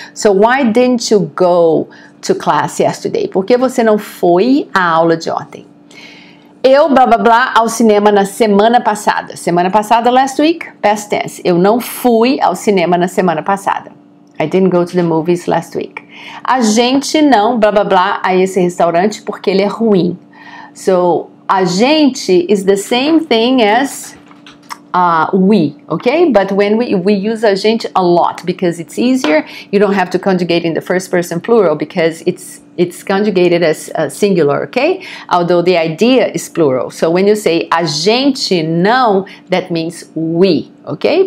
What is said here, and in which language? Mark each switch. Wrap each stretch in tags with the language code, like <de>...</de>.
<en>So why didn't you go to class yesterday?</en> <pt>Por que você não foi à aula de ontem? Eu blá blá blá ao cinema na semana passada. Semana passada,</pt> <en>last week, past tense.</en> <pt>Eu não fui ao cinema na semana passada.</pt> <en>I didn't go to the movies last week.</en> <pt>A gente não, blá, blá, blá, a esse restaurante porque ele é ruim.</pt> <en>So, a gente is the same thing as we, okay? But when we use a gente a lot because it's easier, you don't have to conjugate in the first person plural because it's conjugated as singular, okay? Although the idea is plural. So, when you say a gente não, that means we, okay?</en>